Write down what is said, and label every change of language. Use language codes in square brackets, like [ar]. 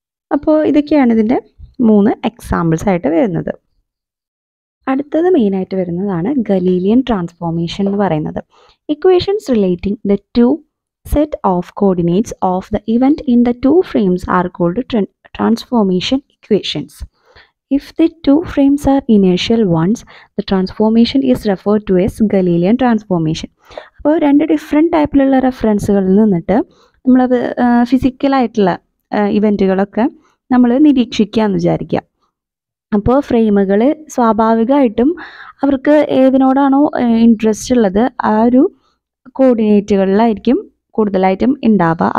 [ml] അപ്പോൾ ഇതൊക്കെയാണ് ഇതിൻ്റെ മൂന്ന് എക്സാമ്പിൾസ് ആയിട്ട് വരുന്നത്. അടുത്തത് മെയിനായിട്ട് വരുന്നതാണ് ഗലീലിയൻ ട്രാൻസ്ഫോർമേഷൻ എന്ന് പറയുന്നത്. [en] Equations relating the two set of coordinates of the event in the two frames are called transformation equations. If the two frames are inertial ones, the transformation is referred to as Galilean transformation. [ml] അപ്പോൾ രണ്ട് different ടൈപ്പിലുള്ള റെഫറൻസുകളിൽ നിന്നിട്ട് നമ്മളത് ഫിസിക്കലായിട്ടുള്ള ഇവൻറ്റുകളൊക്കെ നമ്മൾ നിരീക്ഷിക്കുകയെന്ന് വിചാരിക്കുക. അപ്പോൾ ഫ്രെയിമുകൾ സ്വാഭാവികമായിട്ടും അവർക്ക് ഏതിനോടാണോ ഇൻട്രസ്റ്റ് ഉള്ളത് ആ ഒരു കോർഡിനേറ്റുകളിലായിരിക്കും കൂടുതലായിട്ടും ഉണ്ടാവുക.